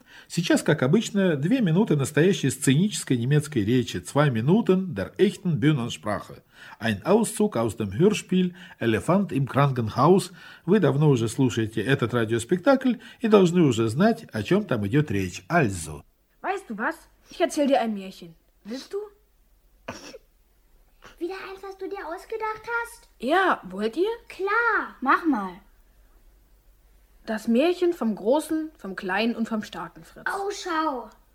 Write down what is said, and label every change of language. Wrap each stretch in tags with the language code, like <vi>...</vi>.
<ru>Сейчас, как обычно, 2 минуты настоящей сценической немецкой речи.</ru> <de>2 Minuten der echten Bühnensprache. Ein Auszug aus dem Hörspiel «Elefant im Krankenhaus».</de> <ru>Вы давно уже слушаете этот радиоспектакль и должны уже знать, о чем там идет речь.</ru> <de>Also. Weißt du was? Ich erzähle dir ein Märchen. Willst du? Wieder eins, was du dir ausgedacht hast? Ja, wollt ihr? Klar, mach mal. Das Märchen vom Großen, vom Kleinen und vom Starken Fritz. Oh, schau!</de>